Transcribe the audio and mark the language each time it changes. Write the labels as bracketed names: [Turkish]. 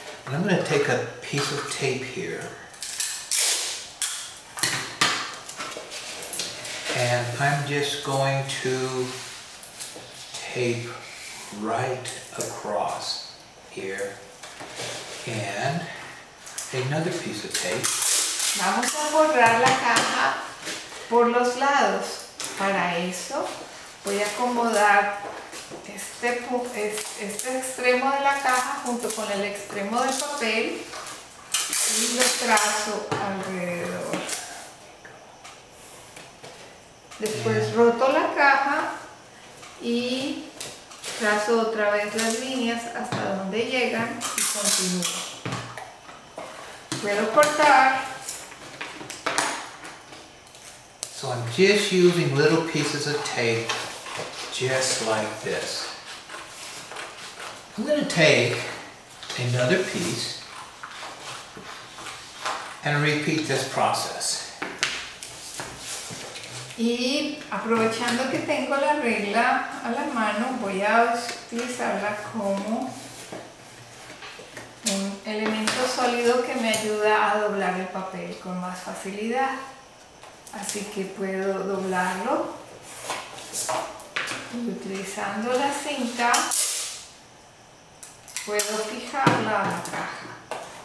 [English] And I'm going to take a piece of tape here. And I'm just going to tape right across here. And another piece of tape. [Spanish] Vamos a borrar la caja por los lados. Para eso voy a acomodar este extremo de la caja junto con el extremo del papel y lo trazo alrededor. Después roto la caja y trazo otra vez las líneas hasta donde llegan y continúo. puedo cortar. [English] So I'm just using little pieces of tape, just like this. I'm going to take another piece and repeat this process. [Spanish] Y aprovechando que tengo la regla a la mano, voy a utilizarla como un elemento sólido que me ayuda a doblar el papel con más facilidad. Así que puedo doblarlo y utilizando la cinta puedo fijarla a la caja.